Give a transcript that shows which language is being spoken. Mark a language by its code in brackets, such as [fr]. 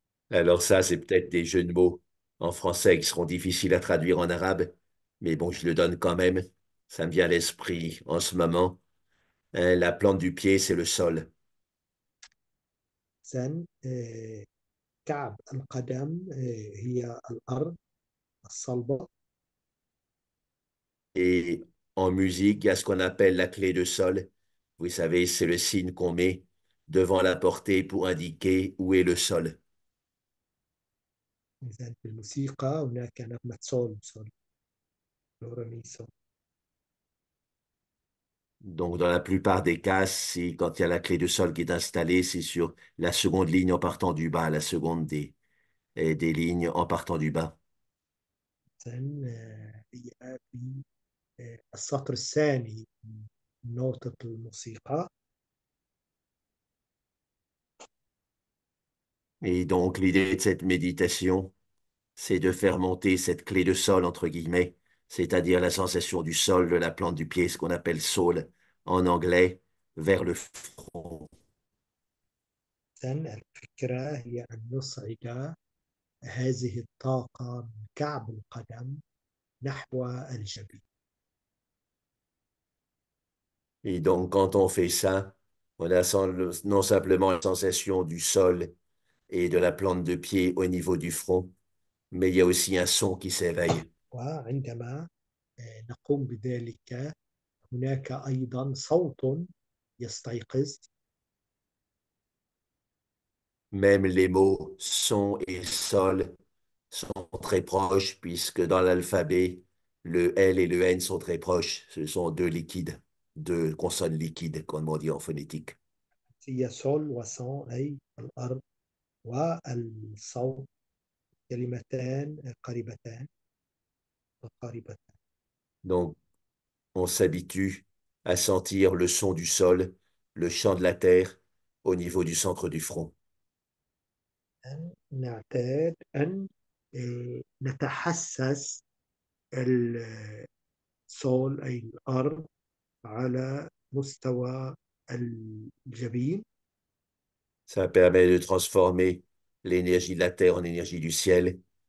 [fr] Alors ça, c'est peut-être des jeux de mots en français qui seront difficiles à traduire en arabe, mais bon, je le donne quand même. Ça me vient à l'esprit en ce moment. Hein, la plante du pied, c'est le sol. [ar] إذن كعب القدم هي الأرض الصلبة. [fr] Et en musique, il y a ce qu'on appelle la clé de sol. Vous savez, c'est le signe qu'on met devant la portée pour indiquer où est le sol. [ar] إذن في الموسيقى هناك نغمة سول سول دوريميسو. [fr] Donc, dans la plupart des cas, si quand il y a la clé de sol qui est installée, c'est sur la seconde ligne en partant du bas, la seconde des lignes en partant du bas. [ar] هي في السطر الثاني من نوتة الموسيقى. [fr] Et donc, l'idée de cette méditation, c'est de faire monter cette clé de sol, entre guillemets, c'est-à-dire la sensation du sol, de la plante du pied, ce qu'on appelle sole. En anglais, vers le front. [ar] الفكرة هي أن نصعد هذه الطاقة من كعب القدم نحو الجبين. [fr] Et donc, quand on fait ça, on a non simplement la sensation du sol et de la plante de pied au niveau du front, mais il y a aussi un son qui s'éveille. [ar] وعندما نقوم بذلك هناك أيضا صوت يستيقظ. [fr] Même les mots son et sol sont très proches, puisque dans l'alphabet, le L et le N sont très proches. Ce sont deux liquides, deux consonnes liquides, comme on dit en phonétique. [ar] هي سول وصان أي الأرض، والصوت كلمتان قريبتان قريبتان. [fr] Donc, on s'habitue à sentir le son du sol, le chant de la terre au niveau du centre du front. [ar] أن نعتاد أن نتحسس السول أي الأرض على مستوى الجبين. [fr] Ça permet de transformer l'énergie de la terre en énergie du ciel.